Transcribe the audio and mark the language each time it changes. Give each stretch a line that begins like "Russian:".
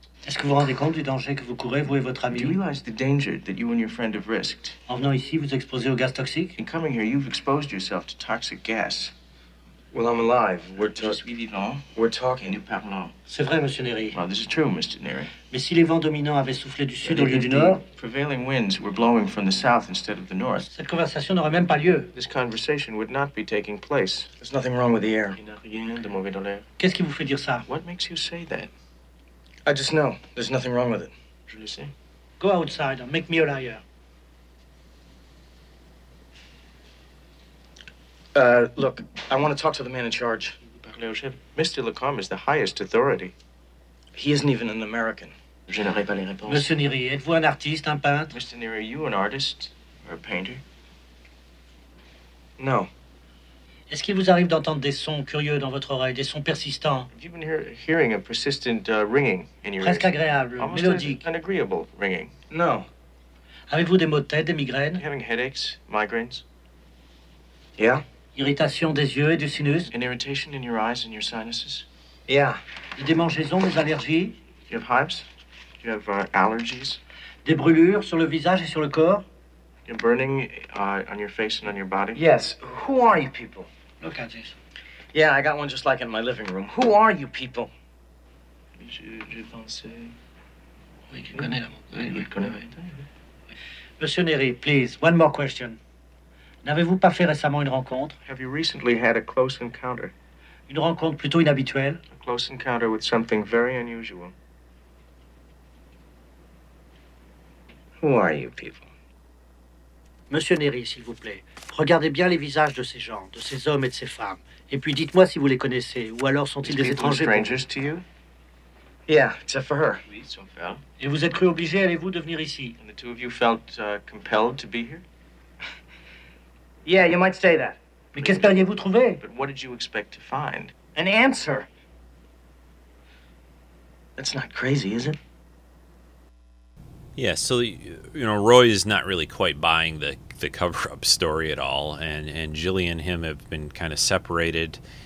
French: Est-ce que vous rendez compte du danger que vous courez, vous et votre ami?
English: Do you realize the danger that you and your friend have risked?
French: En venant ici, vous exposez au gaz toxique?
English: In coming here, you've exposed yourself to toxic gas. Well, I'm alive. We're talking.
French: Je suis vivant.
English: We're talking.
French: Et nous parlons. C'est vrai, Monsieur Neary.
English: Well, this is true, Mr. Neary.
French: Mais si les vents dominants avaient soufflé du sud au lieu du nord?
English: The prevailing winds were blowing from the south instead of the north.
French: Cette conversation n'aurait même pas lieu.
English: This conversation would not be taking place. There's nothing wrong with the air.
French: Il n'y a rien de mauvais dans l'air. Qu'est-ce qui vous fait dire ça?
English: What makes you say that? I just know. There's nothing wrong with it.
French: Je le sais.
English: Go outside and make me a liar. Look, I want to talk to the man in charge. Mr. Lacombe is the highest authority. He isn't even an American.
French: Je n'aurai pas les réponses. Monsieur Neary, êtes-vous un artiste, un peintre?
English: Mr. Neary, are you an artist or a painter? No.
French: Est-ce qu'il vous arrive d'entendre des sons curieux dans votre oreille, des sons persistants?
English: Have you been hearing a persistent ringing in your ears?
French: Presque agréable,
English: almost
French: mélodique.
English: An agreeable ringing. No.
French: Avez-vous des maux de tête, des migraines?
English: Are you having headaches, migraines? Yeah.
French: Irritation des yeux et du sinus.
English: An irritation in your eyes and your sinuses. Yeah.
French: Des démangeaisons, des allergies.
English: Do you have hives? Do you have allergies?
French: Des brûlures sur le visage et sur le corps.
English: You're burning on your face and on your body? Yes. Who are you people? Look at this. Yeah, I got one just like in my living room. Who are you people?
French: Je pensais... Oui, je connais la montagne. Monsieur Neary,
English: please, one more question.
French: N'avez-vous pas fait récemment une rencontre?
English: Have you recently had a close encounter?
French: Une rencontre plutôt inhabituelle?
English: A close encounter with something very unusual. Who are you people?
French: Monsieur Neary, s'il vous plaît, regardez bien les visages de ces gens, de ces hommes et de ces femmes, et puis dites-moi si vous les connaissez, ou alors sont-ils des étrangers pour vous?
English: To you? Yeah, except for her. Oui, so far.
French: Et vous êtes cru obligé, allez-vous, de venir ici?
English: And the two of you felt compelled to be here? Yeah, you might say that.
French: Mais qu'espériez-vous trouver?
English: But what did you expect to find? An answer. That's not crazy, is it? Yeah, so, you know, Roy is not really quite buying the cover-up story at all, and Jillian and him have been kind of separated.